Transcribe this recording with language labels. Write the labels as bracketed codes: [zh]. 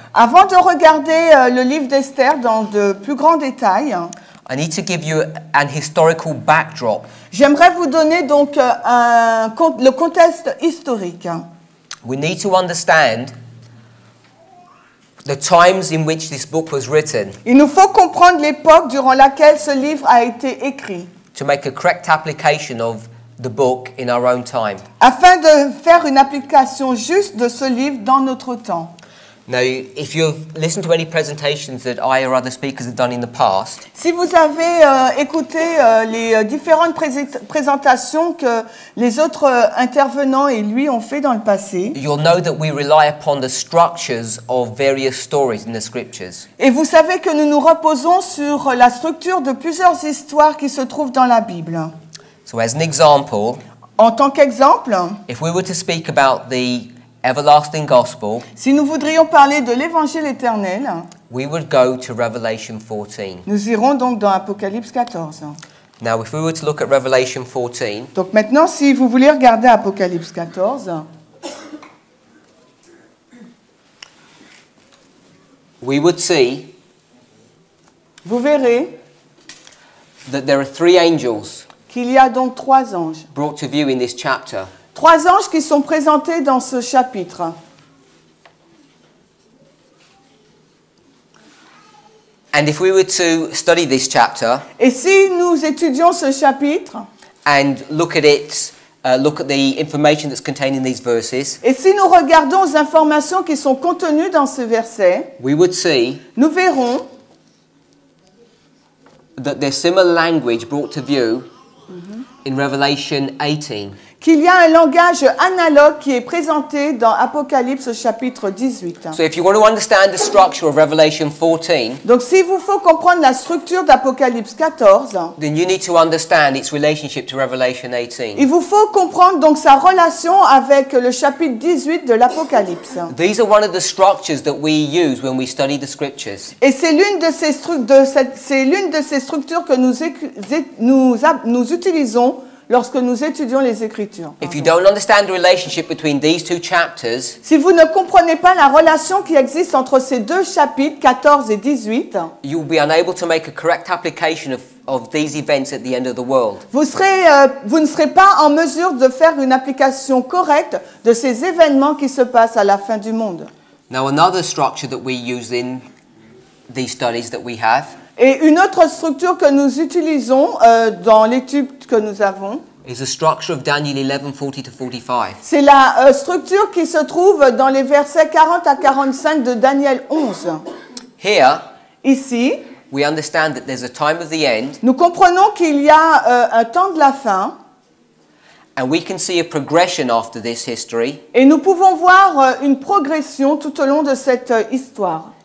[fr] avant de regarder le livre d'Esther dans de plus grands détails, [en] I need to give you an historical backdrop. [fr] J'aimerais vous donner donc le contexte historique. [en] We need to understand the times in which this book was written. [fr] Il nous faut comprendre l'époque durant laquelle ce livre a été écrit. [en] To make a correct application of the book in our own time. [fr] Afin de faire une application juste de ce livre dans notre temps. [en] Now, if you've listened to any presentations that I or other speakers have done in the past, [fr] si vous avez écouté les différentes présentations que les autres intervenants et lui ont fait dans le passé, [en] you'll know that we rely upon the structures of various stories in the scriptures. [fr] Et vous savez que nous nous reposons sur la structure de plusieurs histoires qui se trouvent dans la Bible. [en] So, as an example, [fr] en tant qu'exemple, [en] if we were to speak about the Everlasting Gospel. [fr] Si nous voudrions parler de l'Évangile éternel, [en] we would go to Revelation 14. [fr] Nous irons donc dans Apocalypse 14. [en] Now, if we were to look at Revelation 14. [fr] Donc maintenant, si vous voulez regarder Apocalypse 14, [en] we would see. [fr] Vous verrez [en] that there are three angels. [fr] Qu'il y a donc trois anges. [en] Brought to view in this chapter. [fr] Trois anges qui sont présentés dans ce chapitre. [en] And if we were to study this chapter, [fr] et si nous étudions ce chapitre, [en] and look at it, look at the information that's contained in these verses, [fr] et si nous regardons les informations qui sont contenues dans ce verset, [en] we would see, [fr] nous verrons, [en] that there's similar language brought to view in Revelation 18. [fr] Qu'il y a un langage analogue qui est présenté dans Apocalypse chapitre 18. [en] So if you want to understand the structure of Revelation 14, [fr] donc s'il vous faut comprendre la structure d'Apocalypse 14, [en] then you need to understand its relationship to Revelation 18. [fr] Il vous faut comprendre donc sa relation avec le chapitre 18 de l'Apocalypse. [en] These are one of the structures that we use when we study the scriptures. [fr] Et c'est l'une de ces structures que nous utilisons lorsque nous étudions les Écritures. [en] If you don't understand the relationship between these two chapters, [fr] si vous ne comprenez pas la relation qui existe entre ces deux chapitres, 14 et 18, [en] you will be unable to make a correct application of these events at the end of the world. [fr] Vous ne serez pas en mesure de faire une application correcte de ces événements qui se passent à la fin du monde. [en] Now another structure that we use in these studies that we have. [fr] Et une autre structure que nous utilisons dans l'étude que nous avons, [en] is the structure of Daniel 11, 40 to 45. [fr] C'est la structure qui se trouve dans les versets 40 à 45 de Daniel 11. [en] Here, [fr] ici, [en] we understand that there's a time of the end, [fr] nous comprenons qu'il y a un temps de la fin. [en] And we can see a progression after this history, [fr] et nous pouvons voir une progression tout au long de cette histoire.